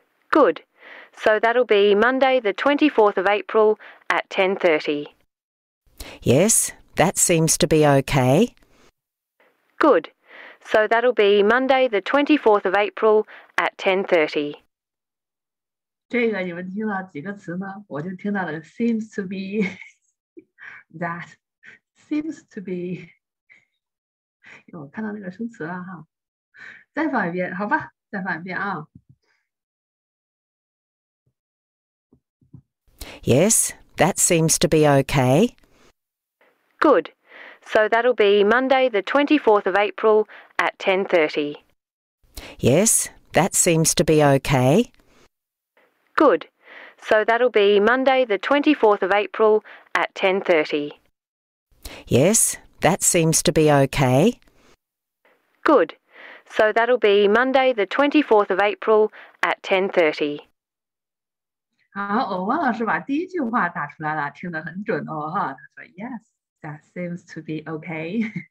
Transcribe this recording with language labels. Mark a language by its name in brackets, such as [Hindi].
[English] Good. So that'll be Monday the 24th of April at 10:30. Yes, that seems to be okay. Good. So that'll be Monday the 24th of April at 10:30. [Chinese] 这个你们听到几个词呢？我就听到了 [English] seems to be that seems to be， [Chinese] 我看到那个生词了哈，再放一遍好吧，再放一遍啊。 [English] Yes, that seems to be okay. Good. So that'll be Monday the 24th of April at 10:30. Yes, that seems to be okay. Good. So that'll be Monday the 24th of April at 10:30. Yes, that seems to be okay. Good. So that'll be Monday the 24th of April at 10:30. [Chinese] 好，我王老师把第一句话打出来了，听得很准哦哈。他说 [English] Yes, that seems to be okay.